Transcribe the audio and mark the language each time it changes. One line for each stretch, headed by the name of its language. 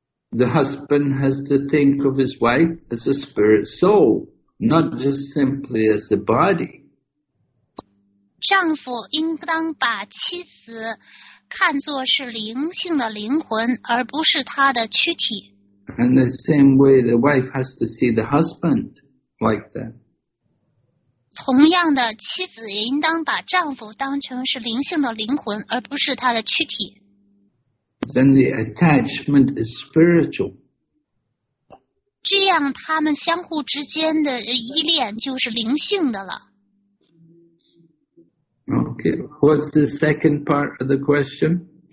English: The husband has to think of his wife as a spirit soul, not just simply as a body.
Chinese: 丈夫应当把妻子看作是灵性的灵魂，而不是他的躯体。
English: In the same way, the wife has to see the husband like that.
Chinese: 同样的，妻子也应当把丈夫当成是灵性的灵魂，而不是他的躯体。
English: Then the attachment is spiritual.
Chinese: 这样，他们相互之间的依恋就是灵性的了。
English: Okay, what's the second part of the question?